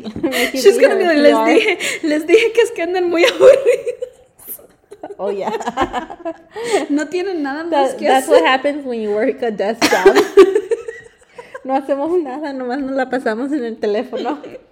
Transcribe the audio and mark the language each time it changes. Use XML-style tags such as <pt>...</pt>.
<en>she's gonna be like,</en> <es>les dije que es que andan muy aburridos.</es> <en>Oh, yeah,</en> <es>no tienen nada más</es> <en>that,</en> <es>que</es> <en>that's what happens when you work a desk job.</en> <es>No hacemos nada, nomás nos la pasamos en el teléfono.</es>